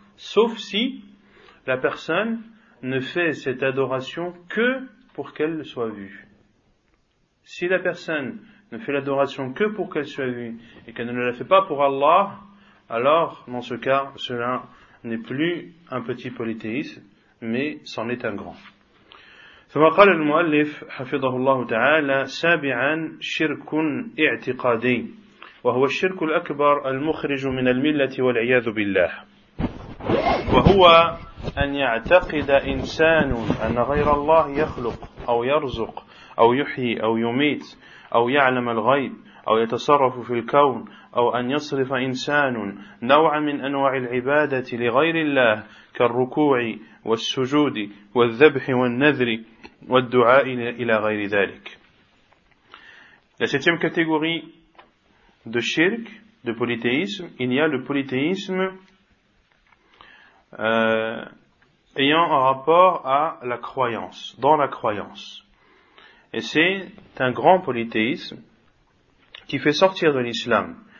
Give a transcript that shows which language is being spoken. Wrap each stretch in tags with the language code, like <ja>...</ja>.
<fr>Sauf si la personne ne fait cette adoration que pour qu'elle soit vue. Si la personne ne fait l'adoration que pour qu'elle soit vue, et qu'elle ne la fait pas pour Allah, alors, dans ce cas, cela n'est plus un petit polythéisme, mais c'en est un grand.</fr> <ar>ثم قال المؤلف حفظه الله تعالى سابعا شرك اعتقادي وهو الشرك الأكبر المخرج من الملة والعياذ بالله وهو أن يعتقد إنسان أن غير الله يخلق أو يرزق أو يحيي أو يميت أو يعلم الغيب أو يتصرف في الكون أو أن يصرف إنسان نوعا من أنواع العبادة لغير الله كالركوع والسجود والذبح والنذر والدعاء إلى غير ذلك.</ar> <fr>La septième catégorie de shirk, de polythéisme, il y a le polythéisme ayant un rapport à la croyance, dans la croyance. Et c'est un grand polythéisme qui fait sortir de l'islam.</fr>